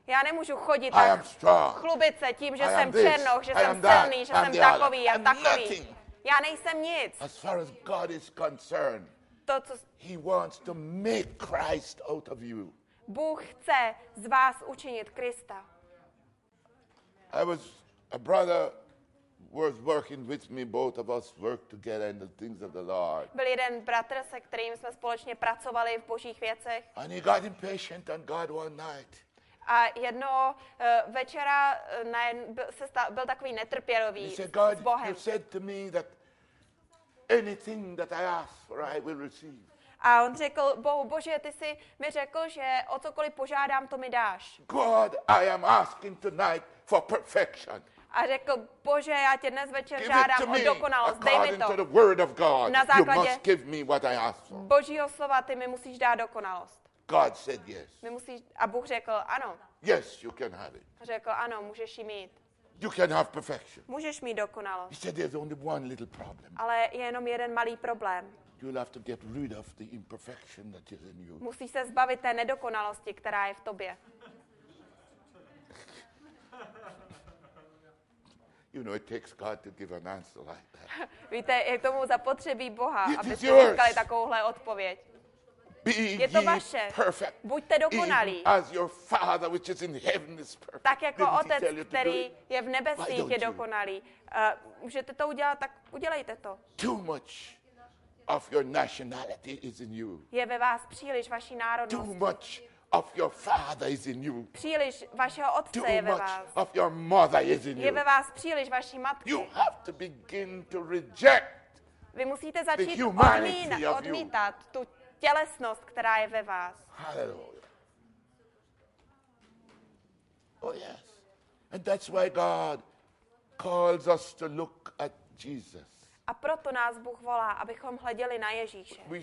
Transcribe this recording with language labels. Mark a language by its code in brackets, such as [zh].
[cs] Já nemůžu chodit tak chlubit se tím, že jsem černoch, že jsem silný, že jsem takový a takový. Já nejsem nic. [en] As far as God is concerned. [cs] To, co... [en] He wants to make Christ out of you. [cs] Bůh chce z vás učinit Krista. [en] I was a brother was working with me, both of us worked together in the things of the Lord. [cs] Byl jeden bratr, se kterým jsme společně pracovali v Božích věcech. [en] And he got impatient on God one night. [cs] A jedno večera byl takový netrpělivý s Bohem. [en] You said to me that anything that I ask for, I will receive. [cs] A on řekl, Bože, ty jsi mi řekl, že o cokoliv požádám, to mi dáš. [en] God, I am asking tonight for perfection. [cs] A řekl, Bože, já tě dnes večer žádám o dokonalost, dej mi to. [en] The word of God, [cs] na základě [en] you must give me what I ask for. [cs] Božího slova, ty mi musíš dát dokonalost. [en] God said yes. [cs] A Bůh řekl, ano. [en] Yes, you can have it. [cs] Řekl, ano, můžeš jí mít. [en] You can have perfection. [cs] Můžeš mít dokonalost. [en] He said, there's only one little problem. [cs] Ale je jenom jeden malý problém. [en] You'll have to get rid of the imperfection that is in you. [cs] Musíš se zbavit té nedokonalosti, která je v tobě. [en] You know, it takes God to give an answer like that. [cs] Víte, je k tomu zapotřebí Boha, abyste říkali takovouhle odpověď. Je to vaše. [en] Perfect. [cs] Buďte dokonalí. [en] As your father, which is in heaven, is perfect. [cs] Tak jako otec, který je v nebesích, je dokonalý. Můžete to udělat, tak udělejte to. [en] Too much of your nationality is in you. [cs] Je ve vás příliš vaší národnosti. [en] Too much of your father is in you. [cs] Příliš vašeho otce je ve vás. [en] Too much of your mother is in you. [cs] Je ve vás příliš vaší matky. [en] You have to begin to reject. [cs] Vy musíte začít odmítat tu tělesnost, která je ve vás. [en] Hallelujah. Oh yes. And that's why God calls us to look at Jesus. [cs] A proto nás Bůh volá, abychom hleděli na Ježíše.